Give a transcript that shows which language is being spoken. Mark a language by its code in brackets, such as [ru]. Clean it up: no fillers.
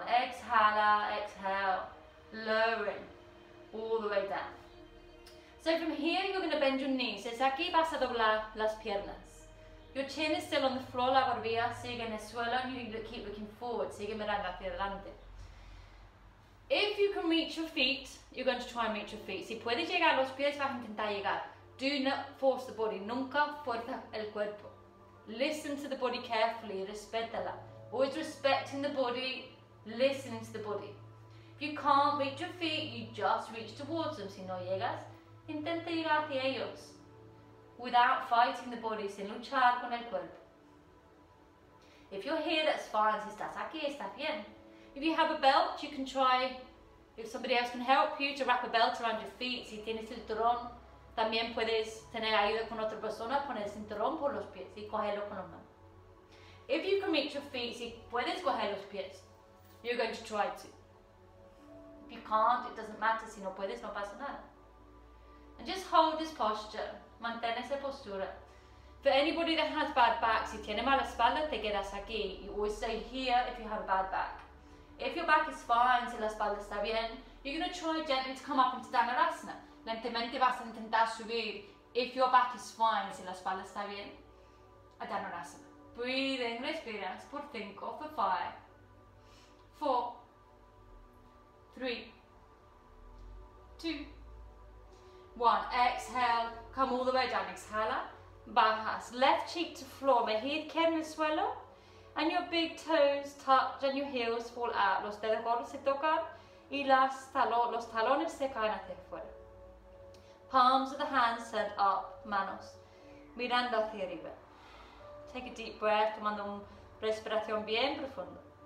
[en] Exhala, exhale, lowering all the way down. So from here, you're going to bend your knees. [es] Desde aquí vas a doblar las piernas. [en] Your chin is still on the floor, [es] la barbilla sigue en el suelo, [en] and you keep looking forward, [es] sigue mirando hacia adelante. [en] If you can reach your feet, you're going to try and reach your feet. [es] Si puedes llegar a los pies, vas a intentar llegar. [en] Do not force the body, [es] nunca fuerza el cuerpo. [en] Listen to the body carefully, [es] respétala. [en] Always respecting the body, listening to the body. If you can't reach your feet, you just reach towards them. [es] Si no llegas, intenta llegar hacia ellos. [en] Without fighting the body, [es] sin luchar con el cuerpo. [en] If you're here, that's fine. [es] Si estás aquí, está bien. [en] If you have a belt, you can try, if somebody else can help you, to wrap a belt around your feet. [es] Si tienes el cinturón, también puedes tener ayuda con otra persona, poner el cinturón por los pies y cogerlo con la mano. [en] If you can reach your feet, [es] si puedes coger los pies, [en] you're going to try to. If you can't, it doesn't matter. [es] Si no puedes, no pasa nada. [en] And just hold this posture. [es] Mantén esa postura. [en] For anybody that has bad back, [es] si tiene mala espalda, te quedas aquí. [en] You always stay here if you have a bad back. If your back is fine, [es] si la espalda está bien, [en] you're going to try gently to come up into Dhanurasana. [es] Lentamente vas a intentar subir [en] If your back is fine, [es] si la espalda está bien, a Dhanurasana. [en] Breathe in, [es] respiras por 5, [en] for 5, 4, 3, 2, 1. Exhale, come all the way down. [es] Exhala, bajas. [en] Left cheek to floor, [es] mejilla queda en el suelo. [en] And your big toes touch and your heels fall out. [es] Los dedos gordos se tocan y los talones se caen hacia afuera. [en] Palms of the hands sent up, [es] manos, mirando hacia arriba. [en] Take a deep breath, [es] tomando una respiración bien profunda.